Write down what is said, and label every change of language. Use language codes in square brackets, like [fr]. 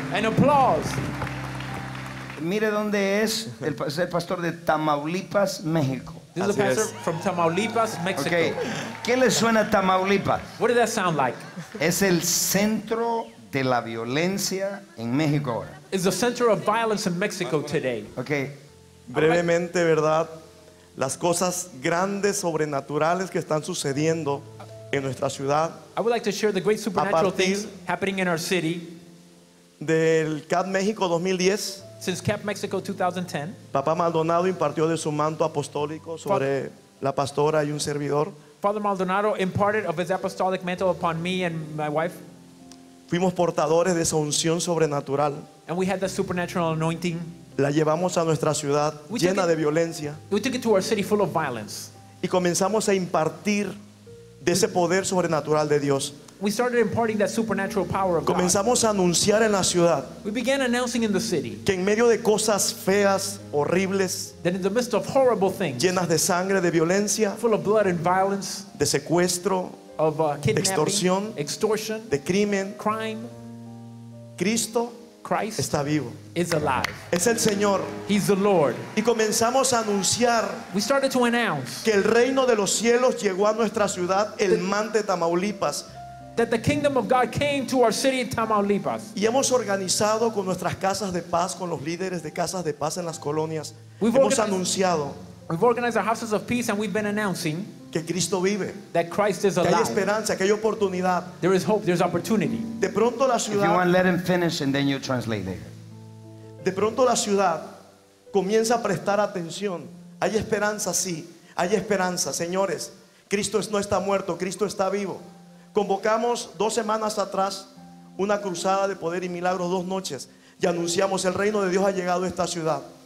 [en] An applause. [es] Mire dónde es el pastor de Tamaulipas, México. [en] This is the pastor from Tamaulipas, Mexico. Okay. [es] ¿Qué le suena a Tamaulipas? [en] What does that sound like? [es] Es el centro de la violencia en México ahora. [en] It's the center of violence in Mexico today. Okay. [es] Brevemente, ¿verdad? Las cosas grandes, sobrenaturales que están sucediendo en nuestra ciudad. [en] I would like to share the great supernatural things happening in our city. [es] Del CAP México 2010. [en] Since CAP Mexico 2010. [es] Papá Maldonado impartió de su manto apostólico sobre la pastora y un servidor. [en] Father Maldonado imparted of his apostolic mantle upon me and my wife. [es] Fuimos portadores de esa unción sobrenatural. [en] And we had the supernatural anointing. [es] La llevamos a nuestra ciudad llena de violencia. [en] We took it to our city full of violence. [es] Y comenzamos a impartir de ese poder sobrenatural de Dios. [en] We started imparting that supernatural power of God. [es] Comenzamos a anunciar en la ciudad. [en] We began announcing in the city. [es] Que en medio de cosas feas, horribles. [en] That in the midst of horrible things. [es] Llenas de sangre, de violencia. [en] Full of blood and violence. [es] De secuestro. [en] Of kidnapping, [es] de extorsión, [en] extortion, [es] de crimen, [en] crime. [es] Cristo, [en] Christ [es] está vivo. [en] Is alive. [es] Es el Señor. [en] He's the Lord. [es] Y comenzamos a anunciar. [en] We started to announce [es] que el reino de los cielos llegó a nuestra ciudad, el Mante, Tamaulipas. [en] That the kingdom of God came to our city in Tamaulipas. [es] Y hemos organizado con nuestras casas de paz, con los líderes de casas de paz en las colonias. [en] We've organized our houses of peace and we've been announcing [es] que Cristo vive. [en] That Christ is alive. [es] Que hay esperanza, que hay oportunidad. [en] There is hope, there's opportunity. [es] De pronto la ciudad, [en] if you want, let him finish and then you translate it. [es] De pronto la ciudad comienza a prestar atención. Hay esperanza, sí. Hay esperanza, señores. Cristo no está muerto, Cristo está vivo. Convocamos 2 semanas atrás una cruzada de poder y milagros, 2 noches, y anunciamos el reino de Dios ha llegado a esta ciudad.